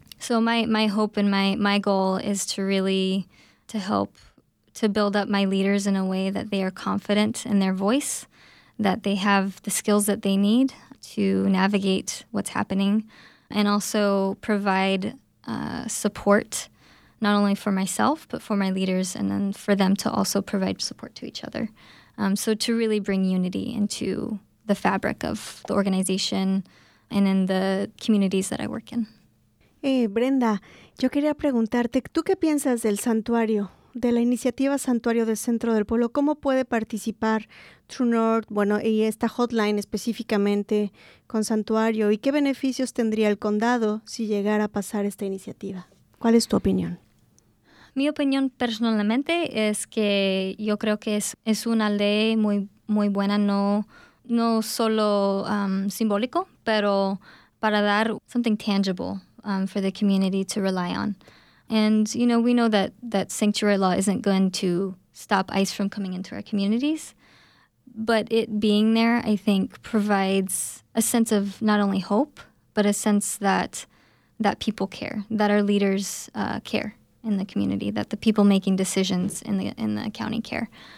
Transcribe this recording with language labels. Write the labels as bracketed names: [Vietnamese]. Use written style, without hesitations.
[English] So my hope and my goal is to really to help to build up my leaders in a way that they are confident in their voice, that they have the skills that they need to navigate what's happening, and also provide support not only for myself, but for my leaders, and then for them to also provide support to each other. So to really bring unity into the fabric of the organization and in the communities that I work in. [Spanish] Hey, Brenda, yo quería preguntarte, ¿tú qué piensas del santuario, de la iniciativa Santuario del Centro del Pueblo? ¿Cómo puede participar True North, bueno, y esta hotline específicamente con Santuario? ¿Y qué beneficios tendría el condado si llegara a pasar esta iniciativa? ¿Cuál es tu opinión? Mi opinión personalmente es que yo creo que es una ley muy, muy buena, no solo simbólico, pero para dar [English] something tangible for the community to rely on. And, you know, we know that sanctuary law isn't going to stop ICE from coming into our communities, but it being there, I think, provides a sense of not only hope, but a sense that people care, that our leaders care in the community, that the people making decisions in the county care.